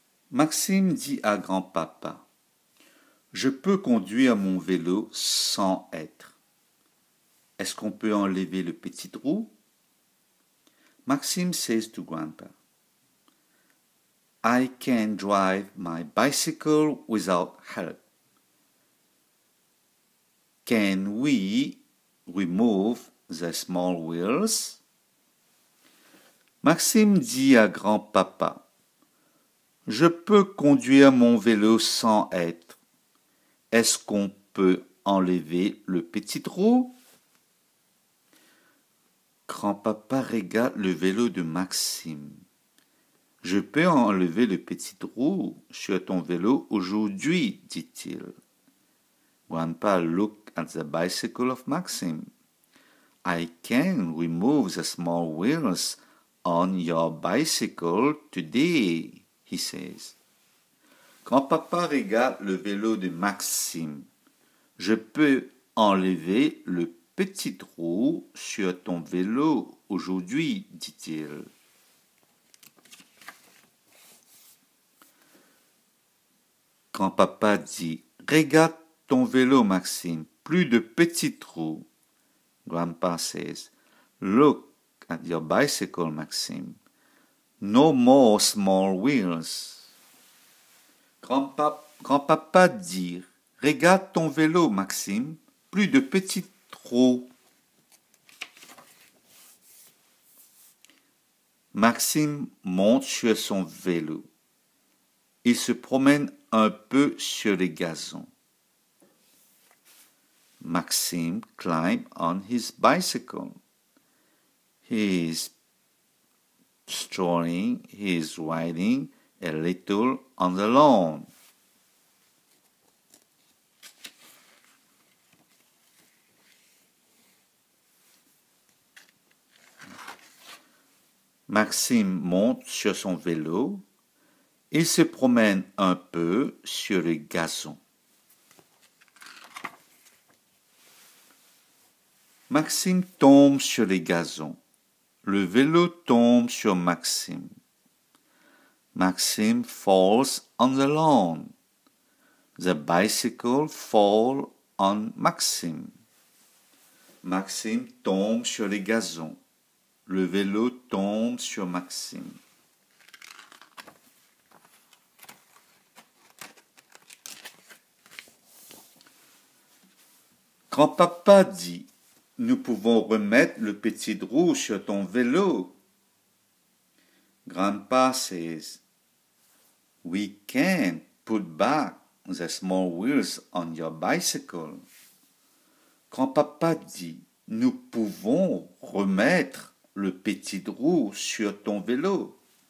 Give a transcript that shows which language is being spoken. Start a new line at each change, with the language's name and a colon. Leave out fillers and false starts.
French: Maxime dit à grand-papa, « Je peux conduire mon vélo sans être. Est-ce qu'on peut enlever le petit roue ?»
English: Maxime says to grandpa, « I can drive my bicycle without help. Can we remove the small wheels ?»
French: Maxime dit à grand-papa, « Je peux conduire mon vélo sans être. Est-ce qu'on peut enlever le petit roue ?» Grand-papa regarde le vélo de Maxime. « Je peux enlever le petit roue sur ton vélo aujourd'hui, » dit-il.
English: Grandpa looked at the bicycle of Maxime. « I can remove the small wheels on your bicycle today. » He says,
French: grand-papa regarde le vélo de Maxime. Je peux enlever le petit roue sur ton vélo aujourd'hui, dit-il. Grand-papa dit, regarde ton vélo, Maxime, plus de petit roue.
English: Grandpa says, look at your bicycle, Maxime. « No more small wheels.
French: » Grand-papa dit, « Regarde ton vélo, Maxime, plus de petits trous. » Maxime monte sur son vélo. Il se promène un peu sur les gazons.
English: Maxime climb on his bicycle. He's strolling, he is riding a little on the lawn.
French: Maxime monte sur son vélo. Il se promène un peu sur le gazon. Maxime tombe sur le gazon. Le vélo tombe sur Maxime.
English: Maxime falls on the lawn. The bicycle falls on Maxime.
French: Maxime tombe sur les gazons. Le vélo tombe sur Maxime. Grand-papa dit, « Nous pouvons remettre le petit roue sur ton vélo. »
English: Grandpa says, « We can put back the small wheels on your bicycle.
French: » Grand-papa dit, « Nous pouvons remettre le petit roue sur ton vélo. »